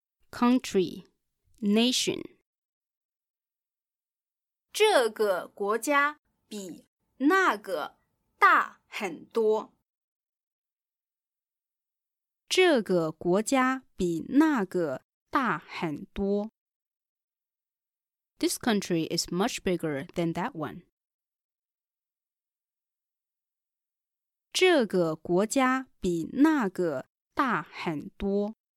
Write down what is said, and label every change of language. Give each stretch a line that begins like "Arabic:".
English: Country Nation
Chinese: 这个国家比那个大很多。这个国家比那个大很多。
English: This country is much bigger than that one.
Chinese: 这个国家比那个大很多。